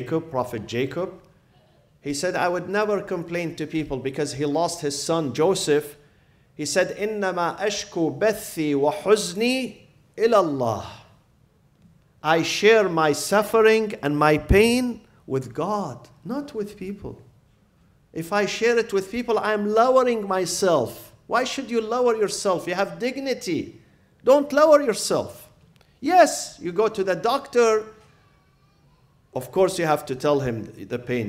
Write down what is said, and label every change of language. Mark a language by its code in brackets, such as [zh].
[en] Prophet Jacob, he said, I would never complain to people because he lost his son Joseph. He said, [ar] إِنَّمَا أَشْكُو بَثِّي وَحُزْنِي إِلَى اللَّهِ. [en] I share my suffering and my pain with God, not with people. If I share it with people, I'm lowering myself. Why should you lower yourself? You have dignity. Don't lower yourself. Yes, you go to the doctor. Of course, you have to tell him the pain.